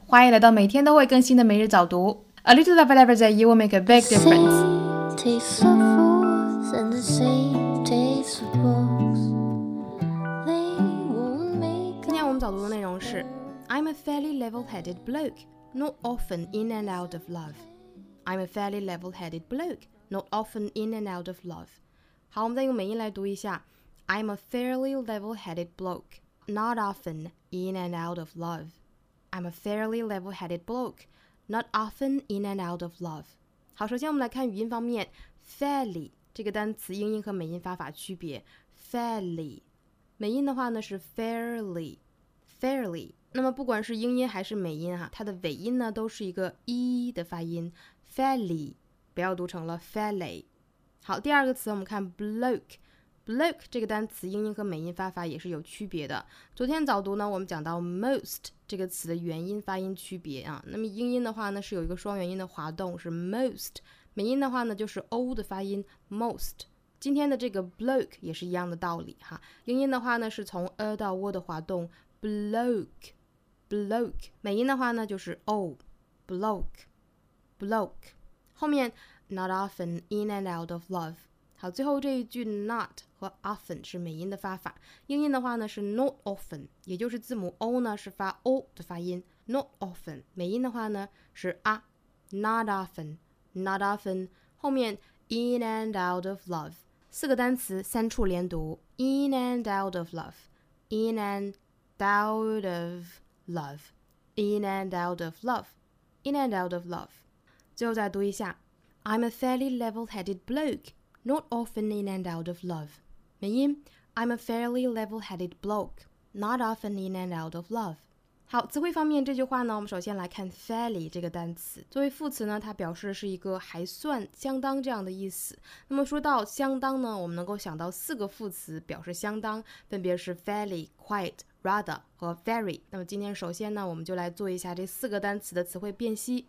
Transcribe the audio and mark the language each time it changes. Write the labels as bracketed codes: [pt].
[zh] 欢迎来到每天都会更新的每日早读。 [en] A little of every day, you will make a big difference. The sea tastes of fools and the sea tastes of books. They won't make [zh] 今天我们早读的内容是 [en] I'm a fairly level-headed bloke, not often in and out of love. I'm a fairly level-headed bloke, not often in and out of love. [zh] 好，我们再用美音来读一下 [en] I'm a fairly level-headed bloke. Not often in and out of love. I'm a fairly level-headed bloke. Not often in and out of love. [zh] 好，首先我们来看语音方面 fairly 这个单词英音和美音发法区别 fairly 美音的话呢是 fairly fairly 那么不管是英音还是美音它的尾音呢都是一个 e 的发音 fairly 不要读成了 fairly 好，第二个词我们看 blokeBloke 这个单词英音和美音发法也是有区别的。昨天早读呢，我们讲到 most 这个词的元音发音区别啊。那么英音的话呢，是有一个双元音的滑动，是 most。美音的话呢，就是 o 的发音 most。今天的这个 bloke 也是一样的道理哈。英音的话呢，是从 e 到 o 的滑动 bloke bloke。美音的话呢，就是 o bloke bloke。后面 [en] not often in and out of love。 [zh] 好，最后这一句 not 和 often 是美音的发法，英音的话呢是 not often， 也就是字母 o 呢是发 o 的发音 ，not often， 美音的话呢是 a， not often， not often， 后面 [en] in and out of love， [zh] 四个单词三处连读 ，in and out of love， in and out of love， in and out of love， in and out of love， 最后再读一下 ， [en] I'm a fairly level-headed bloke。 Not often in and out of love. [zh] 美音 [en] I'm a fairly level-headed bloke. Not often in and out of love. [zh] 好，词汇方面这句话呢，我们首先来看 fairly 这个单词。作为副词呢，它表示的是一个还算、相当这样的意思。那么说到相当呢，我们能够想到四个副词表示相当，分别是 fairly、quite、rather 和 very。那么今天首先呢，我们就来做一下这四个单词的词汇辨析。